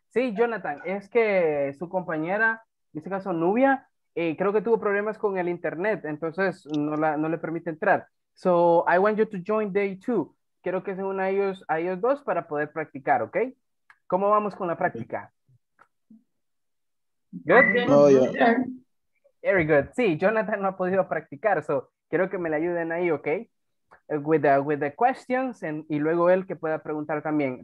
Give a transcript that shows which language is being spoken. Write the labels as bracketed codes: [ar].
[es] Sí, Jonathan, es que su compañera, en este caso Nubia, creo que tuvo problemas con el internet, entonces no le permite entrar. [en] So, I want you to join day two. [es] Quiero que se una a ellos dos para poder practicar, ¿ok? ¿Cómo vamos con la práctica? Good? [en] No, yeah. Very good. [es] Sí, Jonathan no ha podido practicar, so quiero que me le ayuden ahí, ¿ok? [en] With the questions [es] y luego él que pueda preguntar también.